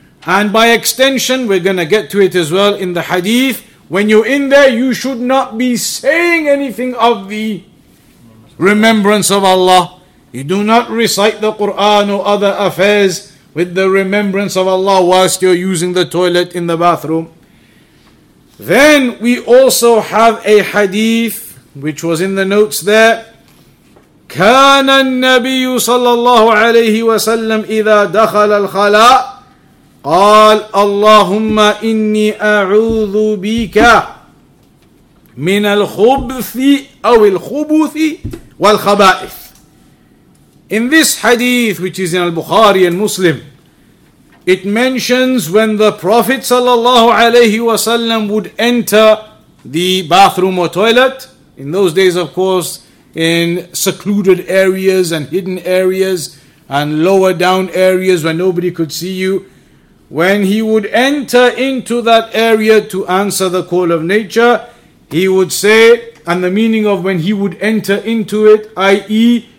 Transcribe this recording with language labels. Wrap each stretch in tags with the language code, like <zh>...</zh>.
<en>And by extension, we're going to get to it as well in the hadith, when you're in there, you should not be saying anything of the remembrance of Allah. You do not recite the Quran or other affairs with the remembrance of Allah whilst you're using the toilet in the bathroom. Then we also have a hadith, which was in the notes there.</en> <ar>كان النبي صلى الله عليه وسلم إذا دخل الخلاء قال اللهم إني أعوذ بك من الخبث أو الخبث والخبائث.</ar> <en>In this hadith, which is in al-Bukhari and Muslim, it mentions when the Prophet sallallahu alayhi wasallam would enter the bathroom or toilet, in those days of course, in secluded areas and hidden areas and lower down areas where nobody could see you, when he would enter into that area to answer the call of nature, he would say, and the meaning of when he would enter into it, i.e.</en>